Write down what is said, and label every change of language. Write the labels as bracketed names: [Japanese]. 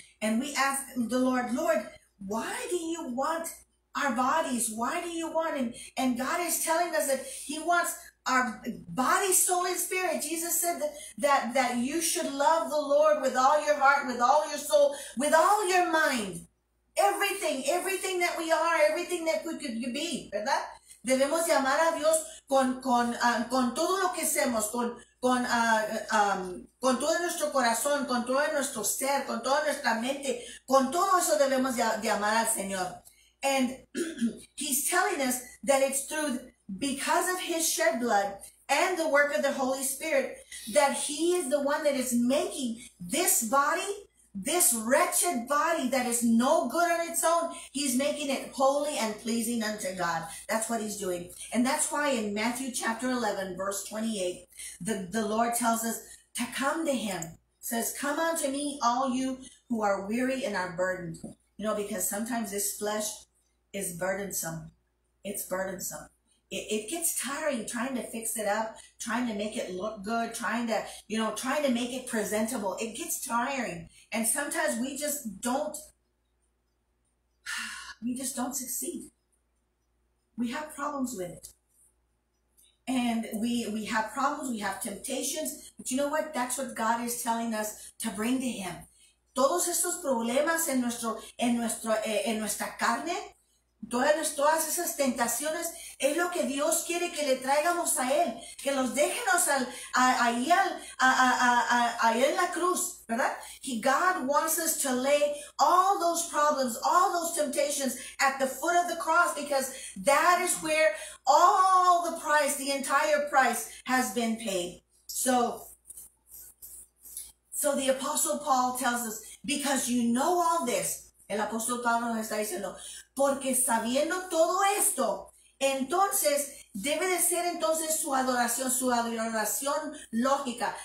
[English] And we ask the Lord, Lord, why do you want our bodies? Why do you want him? And God is telling us that he wants our body, soul, and spirit. Jesus said that you should love the Lord with all your heart, with all your soul, with all your mind. Everything that we are, everything that we could be, [Spanish] ¿verdad? Debemos llamar a Dios con todo lo que hacemos, con todo nuestro corazón, con todo nuestro ser, con toda nuestra mente, con todo eso debemos llamar al Señor. [English] And he's telling us that it's through, because of his shed blood and the work of the Holy Spirit, that he is the one that is making this body, this wretched body that is no good on its own, he's making it holy and pleasing unto God. That's what he's doing. And that's why in Matthew chapter 11, verse 28, the Lord tells us to come to him. It says, come unto me, all you who are weary and are burdened. You know, because sometimes this flesh is burdensome. It's burdensome. It gets tiring trying to fix it up, trying to make it look good, trying to make it presentable. It gets tiring. And sometimes we just don't succeed. We have problems with it. And we have problems, we have temptations. But you know what? That's what God is telling us to bring to him. [Spanish] Todos estos problemas en nuestra carne, todas esas tentaciones, es lo que Dios quiere que le traigamos a él, que los déjenos ahí en la cruz, ¿verdad? [English] God wants us to lay all those problems, all those temptations at the foot of the cross, because that is where all the price, the entire price has been paid. So the Apostle Paul tells us, because you know all this, [Spanish] el apóstol Pablo nos está diciendo, porque sabiendo todo esto, entonces debe de ser entonces su adoración lógica.